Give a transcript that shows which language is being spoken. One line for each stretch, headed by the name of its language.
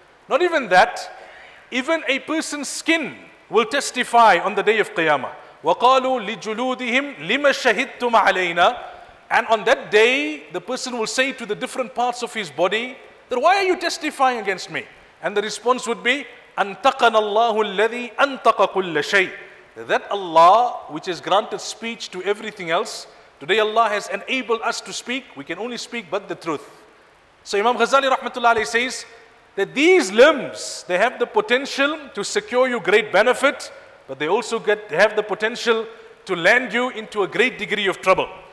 English: Not even that, even a person's skin will testify on the day of Qiyamah.
Arabic: وَقَالُوا لِجُلُودِهِمْ لِمَ شَهِدْتُمْ عَلَيْنَا.
English: And on that day, the person will say to the different parts of his body, that why are you testifying against me? And the response would be,
Arabic: أَنْتَقَنَ اللَّهُ الَّذِي أَنْتَقَ كُلَّ شَيْءٍ.
English: That Allah, which has granted speech to everything else, today Allah has enabled us to speak, we can only speak but the truth. So Imam Ghazali rahmatullah alayhi says, that these limbs, they have the potential to secure you great benefit, but they also have the potential to land you into a great degree of trouble.